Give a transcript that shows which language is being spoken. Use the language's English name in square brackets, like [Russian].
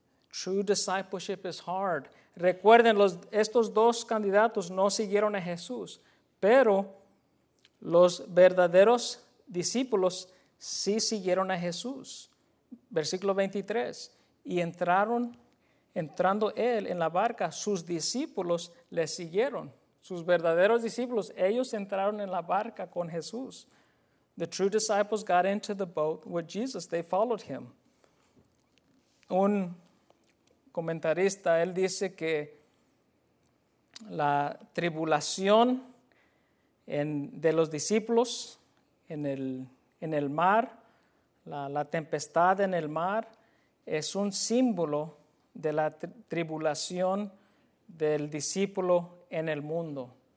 [English] True discipleship is hard. [Spanish] Recuerden, estos dos candidatos no siguieron a Jesús, pero los verdaderos discípulos sí siguieron a Jesús. Versículo 23. Y entrando él en la barca, sus discípulos le siguieron. Sus verdaderos discípulos, ellos entraron en la barca con Jesús. [English] The true disciples got into the boat with Jesus. They followed him. [Spanish] Un comentarista, él dice que la tribulación de los discípulos en el mar, la tempestad en el mar, es un símbolo de la tribulación del discípulo en el mundo.